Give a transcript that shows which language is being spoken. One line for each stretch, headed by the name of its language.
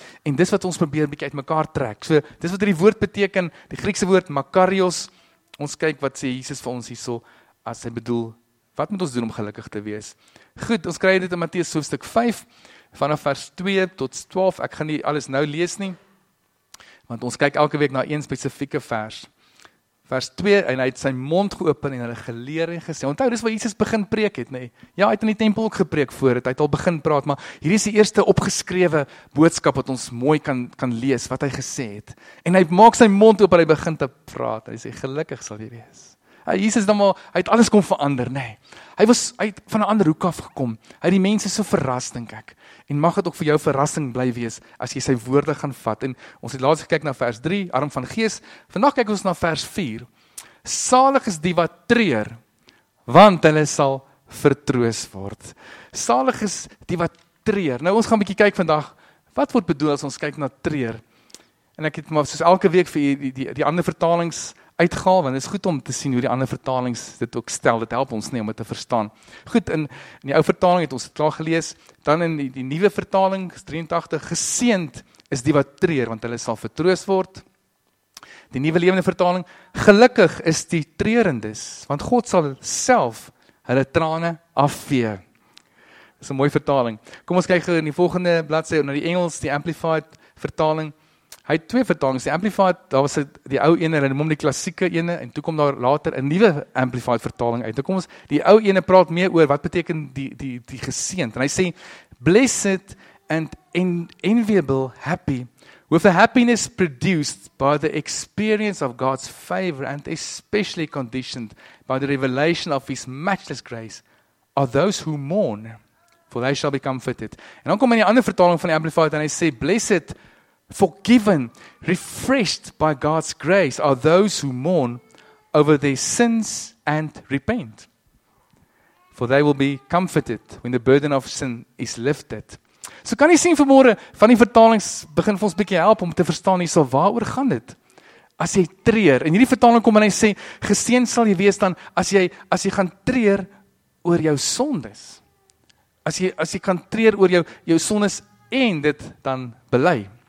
Afrikaans: En dis wat ons probeer 'n bietjie uitmekaar trek. So, dis wat hierdie woord beteken, die Griekse woord makarios. Ons kyk wat sê Jesus vir ons hierso as hy bedoel, wat moet ons doen om gelukkig te wees? Goed, ons kry dit in Matteus hoofstuk 5 vanaf vers 2 tot 12. Ek gaan nie alles nou lees nie. Want ons kyk elke week na een spesifieke vers. Vers 2, en hy het sy mond geopen en hulle geleer en gesê. Onthou, dis waar Jesus begin preek het, nê? Ja, hy het in die tempel ook gepreek voor het, hy het al begin praat, maar hierdie is die eerste opgeskrewe boodskap wat ons mooi kan lees, wat hy gesê het. En hy maak sy mond oop en hy begin te praat. Hy sê, gelukkig sal jy wees. Hy, Jesus, dan maar, hy het alles kom verander, nê? Hy het van 'n ander hoek af gekom. Hy het die mense so verras, dink ek. En mag dit ook vir jou verrassing bly wees as jy sy woorde gaan vat. En ons het laatst gekyk na vers 3, arm van gees. Vandag kyk ons na vers 4. Salig is die wat treur, want hulle sal vertroos word. Salig is die wat treur. Nou ons gaan 'n bietjie kyk vandag, wat word bedoel as ons kyk na treur? En ek het maar soos elke week vir die ander vertalings uitgehaal, want dit is goed om te sien hoe die ander vertalings dit ook stel. Dit help ons nie om dit te verstaan. Goed, in die ou vertaling het ons dit klaar gelees. Dan in die nuwe vertaling, 83, geseend is die wat treur, want hulle sal vertroos word. Die nuwe lewende vertaling, gelukkig is die treurendes, want God sal self hulle trane afvee. Dit is 'n mooi vertaling. Kom ons kyk in die volgende bladsy, na die Engels, die Amplified vertaling. Hy het twee vertalings, die Amplified, daar was die ou ene, hulle noem hom die klassieke ene, en toe kom daar later 'n nuwe Amplified vertaling uit. Toe kom ons, die ou ene praat meer oor wat beteken die geseend. En hy sê,
English: blessed and enviable happy, with a happiness produced by the experience of God's favor and especially conditioned by the revelation of his matchless grace, are those who mourn, for they shall be comforted.
Afrikaans: En dan kom hy in die ander vertaling van die Amplified en hy sê,
English: blessed, forgiven, refreshed by God's grace are those who mourn over their sins and repent. For they will be comforted when the burden of sin is lifted.
Afrikaans: So kan jy sien vanmôre van die vertalings begin vir ons bietjie help om te verstaan hierso waaroor gaan dit? As jy treur en hierdie vertaling kom en hy sê geseën sal jy wees dan as jy gaan treur oor jou sondes. As jy kan treur oor jou sondes en dit dan bely.